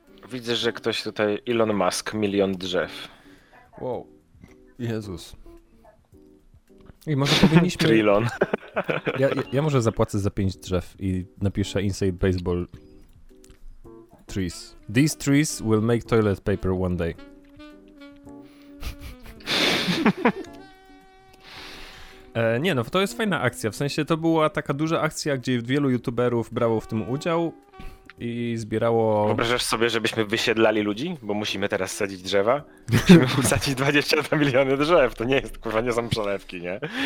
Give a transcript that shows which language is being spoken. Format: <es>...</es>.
<pl>Widzę, że ktoś tutaj. Elon Musk, milion drzew. Wow. Jezus. I może powinniśmy... Trilon. Ja może zapłacę za 5 drzew i napiszę Inside Baseball Trees.</pl> <en>These trees will make toilet paper one day.</en> <pl>Nie no, to jest fajna akcja. W sensie to była taka duża akcja, gdzie wielu youtuberów brało w tym udział i zbierało... Wyobrażasz sobie, żebyśmy wysiedlali ludzi? Bo musimy teraz sadzić drzewa. Musimy usadzić 22 miliony drzew. To nie jest, kurwa, nie są przelewki, nie?</pl>